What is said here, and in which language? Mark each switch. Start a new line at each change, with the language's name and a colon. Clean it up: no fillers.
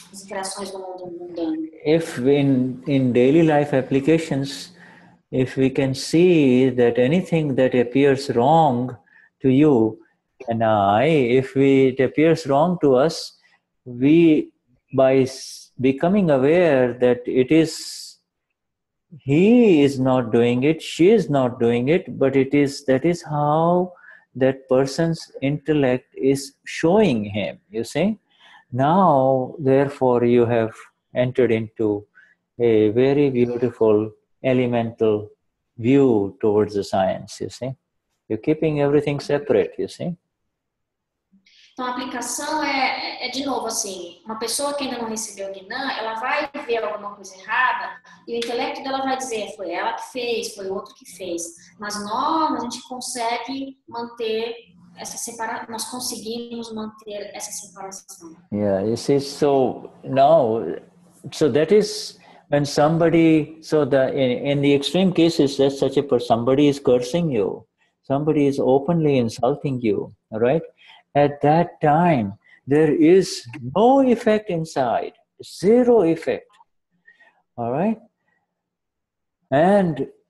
English: If in daily life applications, if we can see that anything that appears wrong to you and I, if it appears wrong to us, we, by becoming aware that it is, he is not doing it, she is not doing it, but it is, that is how that person's intellect is showing him, you see. Now, therefore, you have entered into a very beautiful elemental view towards the science, you see. You're keeping everything separate, you see.
Portuguese: Então, a aplicação é de novo assim, uma pessoa que ainda não recebeu o Gnan, ela vai ver alguma coisa errada e o intelecto dela vai dizer, foi ela que fez, foi o outro que fez. Mas nós, a gente consegue manter essa separação, nós conseguimos manter essa separação.
English: Yeah, you see, so now, so that is when somebody, so the in the extreme cases, that's such a person, somebody is cursing you, somebody is openly insulting you, all right? At that time, there is no effect inside, zero effect, all right? And